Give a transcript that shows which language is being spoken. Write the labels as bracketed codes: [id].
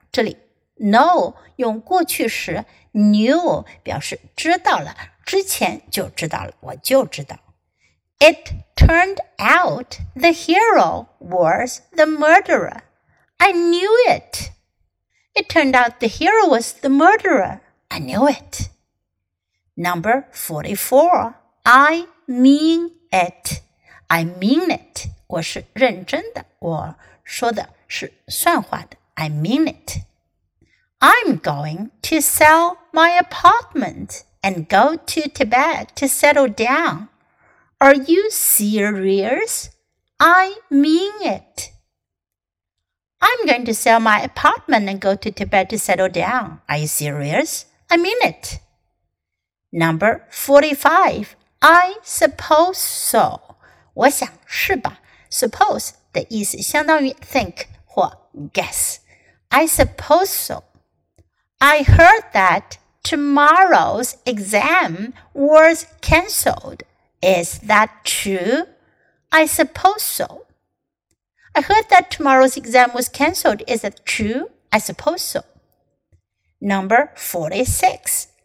[zh] 这里 know 用过去时 knew 表示知道了，之前就知道了，我就知道。 [en] It turned out the hero was the murderer. I knew it. It turned out the hero was the murderer. I knew it. Number 44, I mean it. I mean it. [zh] 我是认真的。我说的是算话的。I mean it. [en] I'm going to sell my apartment and go to Tibet to settle down. Are you serious? I mean it. I'm going to sell my apartment and go to Tibet to settle down. Are you serious? I mean it. Number 45. I suppose so. [zh] 我想是吧。 Suppose 的意思相当于 think 或 guess. [en] I suppose so. I heard that tomorrow's exam was cancelled. Is that true? I suppose so. I heard that tomorrow's exam was cancelled. Is that true? I suppose so. Number 46.